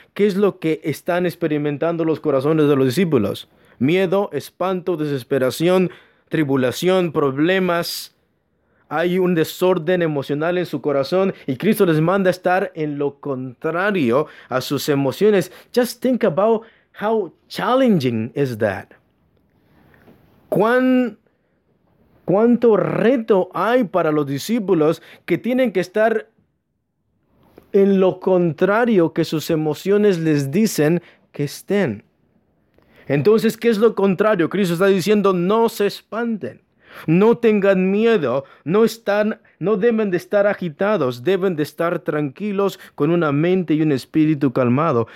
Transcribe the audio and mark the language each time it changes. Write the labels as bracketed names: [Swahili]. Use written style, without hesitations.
[Spanish] ¿Qué es lo que están experimentando los corazones de los discípulos? Miedo, espanto, desesperación, tribulación, problemas. Hay un desorden emocional en su corazón y Cristo les manda a estar en lo contrario a sus emociones. [English] Just think about how challenging is that. [Spanish] ¿Cuánto reto hay para los discípulos que tienen que estar en lo contrario que sus emociones les dicen que estén? Entonces, ¿qué es lo contrario? Cristo está diciendo: no se espanten, no tengan miedo, no deben de estar agitados, deben de estar tranquilos con una mente y un espíritu calmado.